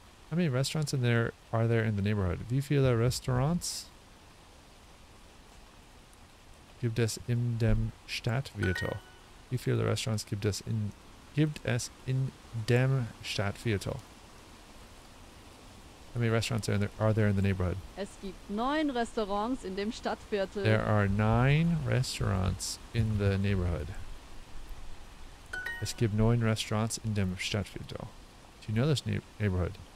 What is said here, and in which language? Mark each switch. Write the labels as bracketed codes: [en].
[en] How many restaurants in there are there in the neighborhood? [de] Wie viele Restaurants gibt es in dem Stadtviertel? Wie viele Restaurants gibt es in dem Stadtviertel? [en] How many restaurants are there in the neighborhood? [de] Es gibt 9 Restaurants in dem Stadtviertel. [en] There are 9 restaurants in the neighborhood. [de] Es gibt 9 Restaurants in dem Stadtviertel. [en] Do you know this neighborhood?